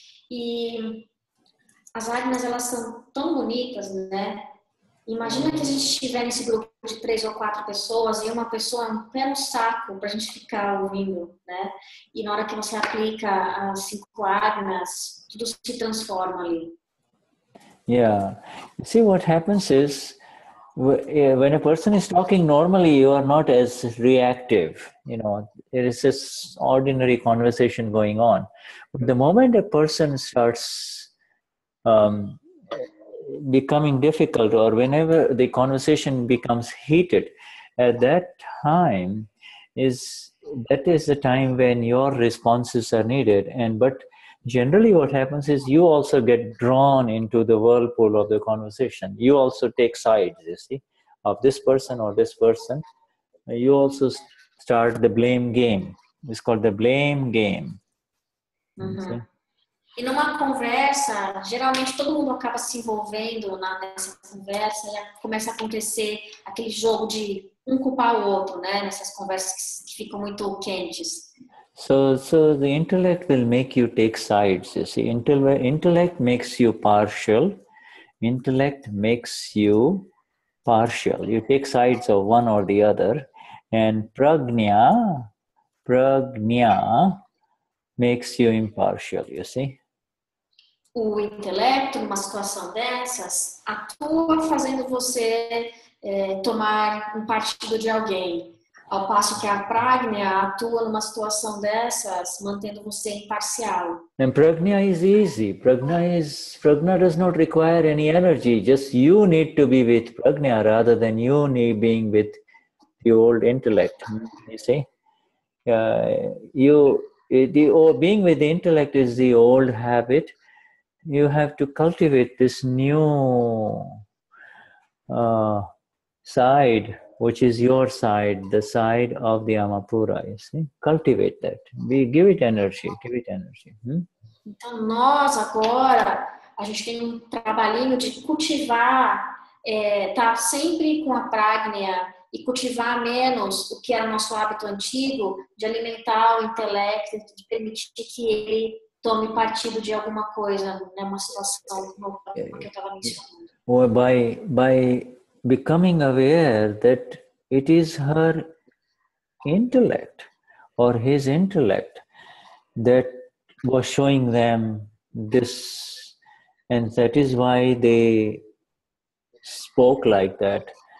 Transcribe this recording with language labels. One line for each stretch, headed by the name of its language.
Portuguese: E as lágrimas, elas são tão bonitas, né? Imagina que a gente estiver nesse grupo de 3 ou 4 pessoas e uma pessoa é um pé no saco para a gente ficar ouvindo, né? E na hora que você aplica as 5 lágrimas, tudo se transforma ali.
English: Yeah. See, what happens is, when a person is talking normally, you are not as reactive. You know, it is just ordinary conversation going on. But the moment a person starts becoming difficult, or whenever the conversation becomes heated, at that time, that is the time when your responses are needed. But generally what happens is you also get drawn into the whirlpool of the conversation. You also take sides, you see, of this person or this person. You also start the blame game. It's called the blame game.
Portuguese: Uh-huh. E numa conversa, geralmente todo mundo acaba se envolvendo nessa conversa e começa a acontecer aquele jogo de culpar o outro, né? Nessas conversas que ficam muito quentes.
English: So the intellect will make you take sides, you see. Intellect makes you partial. Intellect makes you partial. You take sides of one or the other. And prajna makes you impartial, you see.
Portuguese: O intelecto, numa situação dessas, atua fazendo você tomar partido de alguém. Ao passo que a prajna atua numa situação dessas, mantendo você imparcial.
English: And prajna is easy. Prajna does not require any energy. Just you need to be with prajna rather than you need being with the old intellect. You see? Being with the intellect is the old habit. You have to cultivate this new side, which is your side, the side of the Amapura, you see? Cultivate that. Give it energy.
Portuguese: Então, nós agora, a gente tem trabalhinho de cultivar, estar sempre com a prajna e cultivar menos o que era nosso hábito antigo de alimentar o intelecto, de permitir que ele tome partido de alguma coisa, né? Uma situação que eu estava mencionando.
English: Becoming aware that it is her intellect or his intellect that was showing them this, and that is why they spoke like that.